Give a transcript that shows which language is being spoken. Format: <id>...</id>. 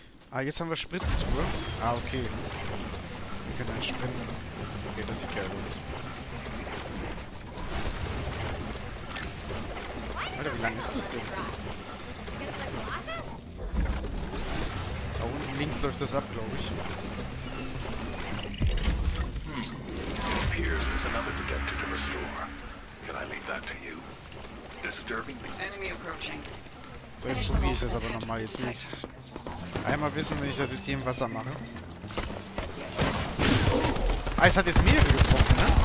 <de>Ah, jetzt haben wir Spritztruhe. Ah, okay. Wir können dann sprinten. Okay, das sieht geil aus. Alter, wie lang ist das denn? Da unten links läuft das ab, glaube ich.</de> <en>Appears there's another detector to restore. Can I leave that to you? Disturbing the enemy approaching.</en> <de>So, jetzt probiere ich das aber nochmal. Jetzt muss ich einmal wissen, wenn ich das jetzt hier im Wasser mache. Ah, es hat jetzt mehr getroffen, ne?</de>